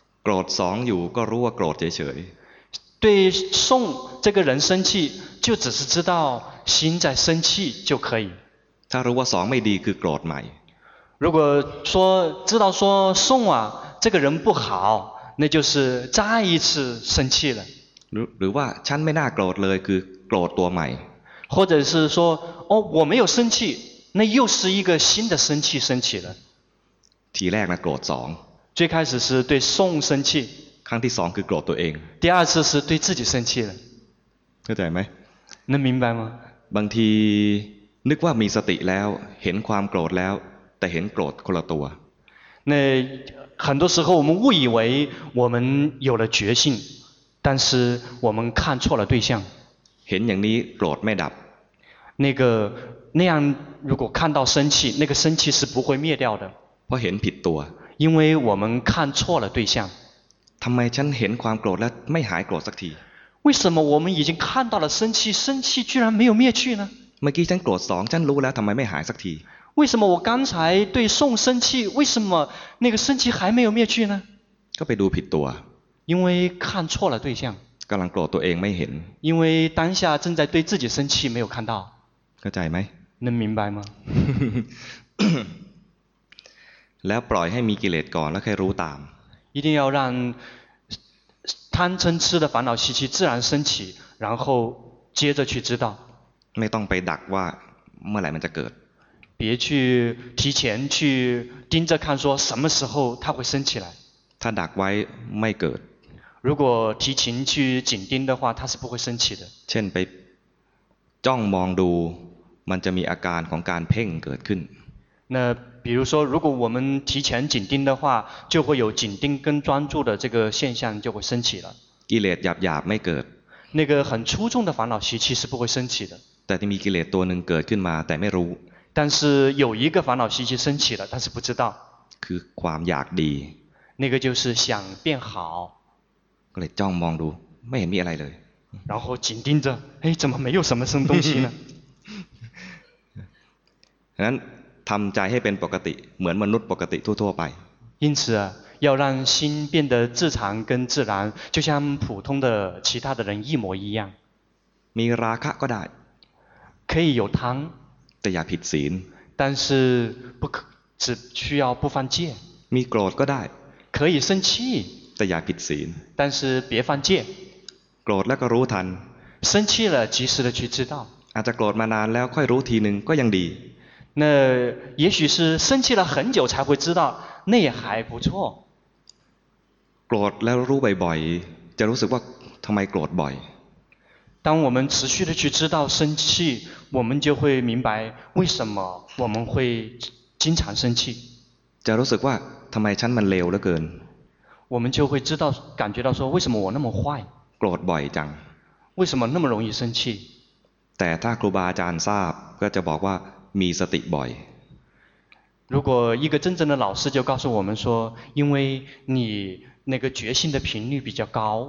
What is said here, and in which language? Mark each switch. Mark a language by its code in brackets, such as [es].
[th] โกรธสองอยู่ก็รู้ว่าโกรธเฉย [zh] ๆ对宋这个人生气就只是知道心在生气就可以 [th] ถ้ารู้ว่าสองไม่ดีคือโกรธใหม่ [zh] 如果说知道说宋啊这个人不好那就是再一次生气了 [th] หรือว่าฉันไม่น่าโกรธเลยคือโกรธตัวใหม่ [zh] 或者是说哦我没有生气那又是一个新的生气升起了 [th] ทีแรกนะโกรธสอง [zh] 最开始是对宋生气 [th] ครั้งที่สองคือโกรธตัวเอง [zh] 第二次是对自己生气了 [th] เข้าใจไหม [zh] 能明白吗？ [th] บางทีนึกว่ามีสติแล้วเห็นความโกรธแล้วแต่เห็นโกรธคนละตัว [zh] 那很多时候我们误以为我们有了觉性，但是我们看错了对象。 [th] เห็นอย่างนี้โกรธไม่ดับ。 [zh] 那样如果看到生气，那个生气是不会灭掉的。 [th] เพราะเห็นผิดตัว。 [zh] 因为我们看错了对象。 [th] ทำไมฉันเห็นความโกรธแล้วไม่หายโกรธสักที？ [zh] 为什么我们已经看到了生气，生气居然没有灭去呢？ [th] เมื่อกี้ฉันโกรธสองฉันรู้แล้วทำไมไม่หายสักที？ [zh] 为什么我刚才对宋生气，为什么那个生气还没有灭去呢？ [th] ก็ไปดูผิดตัว。 [zh] 因为看错了对象。 [th] กำลังโกรธตัวเองไม่เห็น。 [zh] 因为当下正在对自己生气，没有看到。 [th] เข้าใจไ หม？ [zh] 能明白吗？ [th] แล้วปล่อยให้มีกิเลสก่อนแล้วค่อยรู้ตาม。 [zh] 一定要让贪嗔痴的烦恼习气自然升起，然后接着去知道。 [th] ไม่ต้องไปดักว่าเมื่อไหร่มันจะเกิด。 [zh] 别去提前去盯着看，说什么时候它会升起来。 [th] ถ้าดักไว้ไม่เกิด。 [zh] 如果提前去紧盯的话，它是不会升起的。 [th] เช่นไปจ้องมองดูมันจะมีอาการของการเพ่งเกิดขึ้น。 [zh] 那比如说，如果我们提前紧盯的话，就会有紧盯跟专注的这个现象就会升起了。 [th] กิเลสหยาบหยาบไม่เกิด。 [zh] 那个很粗重的烦恼习气是不会升起的。 [th] แต่ที่มีกิเลสตัวหนึ่งเกิดขึ้นมาแต่ไม่รู้。 [zh] 但是有一个烦恼习气升起了，但是不知道。 [th] คือความอยากดี。 [zh] 那个就是想变好。 [th] ก็เลยจ้องมองดูไม่เห็นมีอะไรเลย。 [zh] 然后紧盯着，哎，怎么没有什么生东西呢？ [th] นั้นทำใจให้เป็นปกติเหมือนมนุษย์ปกติทั่วๆไป [zh] 因此要让心变得自常跟自然就像普通的其他的人一模一样 [th] มีราคะก็ได้ [zh] 可以有贪 [th] แต่อย่าผิดศีล [zh] 但是不可只需要不犯戒 [th] มีโกรธก็ได้ [zh] 可以生气 [th] แต่อย่าผิดศีล [zh] 但是别犯戒 [th] โกรธแล้วก็รู้ทัน [zh] 生气了及时的去知道 [th] อาจจะโกรธมานานแล้วค่อยรู้ทีนึงก็ยังดี [zh] 那也许是生气了很久才会知道，那也还不错。 [th] โกรธแล้วรู้บ่อยๆจะรู้สึกว่าทำไมโกรธบ่อย。 [zh] 当我们持续的去知道生气，我们就会明白为什么我们会经常生气。 [th] จะรู้สึกว่าทำไมฉันมันเลวเหลือเกิน。 [zh] 我们就会知道感觉到说为什么我那么坏。 [th] โกรธบ่อยจัง。 [zh] 为什么那么容易生气？ [th] แต่ถ้าครูบาอาจารย์ทราบก็จะบอกว่ามีสติบ่อย [zh] 如果一个真正的老师就告诉我们说因为你那个觉性的频率比较高